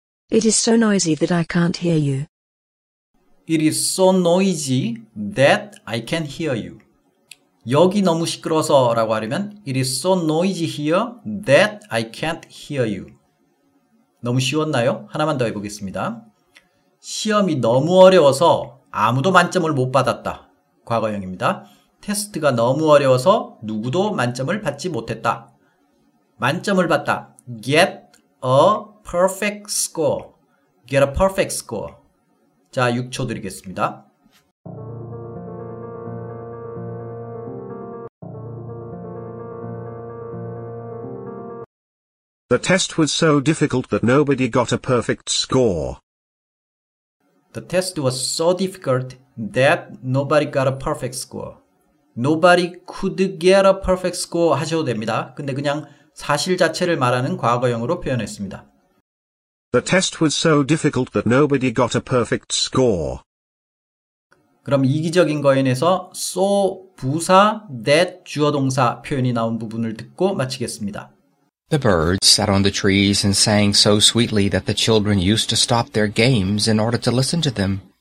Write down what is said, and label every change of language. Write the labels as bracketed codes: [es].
[en] It is so noisy that I can't hear you. It is so noisy that I can't hear you. [ko] 여기 너무 시끄러워서 라고 하려면 [en] It is so noisy here that I can't hear you. [ko] 너무 쉬웠나요? 하나만 더 해보겠습니다. 시험이 너무 어려워서 아무도 만점을 못 받았다. 과거형입니다. 테스트가 너무 어려워서 누구도 만점을 받지 못했다. 만점을 받다. [en] Get a perfect score. Get a perfect score. [ko] 자, 6초 드리겠습니다. [en] The test was so difficult that nobody got a perfect score. The test was so difficult that nobody got a perfect score. Nobody could get a perfect score [ko] 하셔도 됩니다. 근데 그냥 사실 자체를 말하는 과거형으로 표현했습니다. The test was so difficult that nobody got a perfect score. 그럼 이기적인 거인에서 so 부사 that 주어동사 표현이 나온 부분을 듣고 마치겠습니다. [en] The birds sat on the trees and sang so sweetly that the children used to stop their games in order to listen to them.